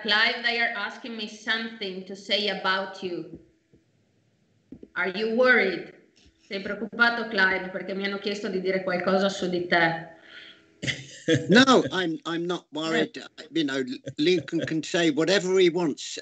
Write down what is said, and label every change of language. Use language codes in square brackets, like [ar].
[en] Clive, they are asking me something to say about you. Are you worried? [it] Sei preoccupato, Clive, perché mi hanno chiesto di dire qualcosa su di te. [en] No, I'm not worried. You know, Lincoln can say whatever he wants.